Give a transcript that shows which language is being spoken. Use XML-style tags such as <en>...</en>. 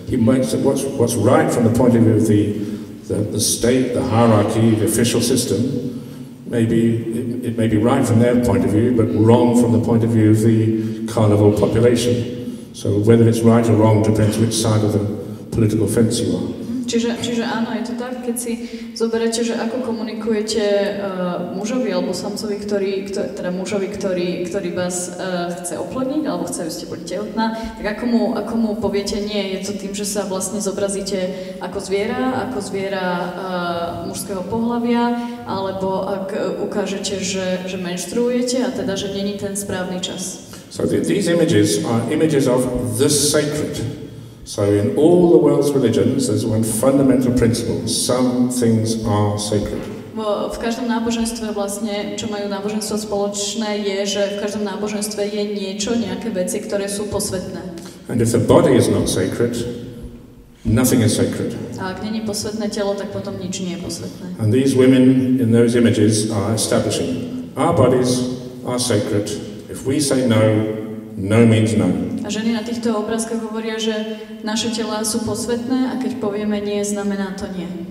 <en>He makes it what's right from the point of view of the state, the hierarchy, the official system, maybe it may be right from their point of view, but wrong from the point of view of the carnival population. So whether it's right or wrong depends which side of the political fence you are.</en> <sk>Čiže áno, je to tak, keď si zoberete, že ako komunikujete mužovi alebo samcovi, ktorý vás chce oplodniť, alebo chce, aby ste boli tehotná, tak ako mu poviete nie, je to tým, že sa vlastne zobrazíte ako zviera mužského pohlavia, alebo ak ukážete, že menštruujete a teda, že není ten správny čas.</sk> <en>So these images are images of the sacred. So in all the world's religions, there's one fundamental principle. Some things are sacred.</en> <sk>V každom náboženstve vlastne, čo majú náboženstvo spoločné, je, že v každom náboženstve je niečo, nejaké veci, ktoré sú posvetné.</sk> <en>And if the body is not sacred, nothing is sacred.</en> <sk>A ak nie je posvetné telo, tak potom nič nie je posvetné.</sk> <en>And these women in those images are establishing. Our bodies are sacred. If we say no, no means no.</en> <sk>A ženy na týchto obrázkach hovoria, že naše tela sú posvetné a keď povieme nie, znamená to nie.</sk>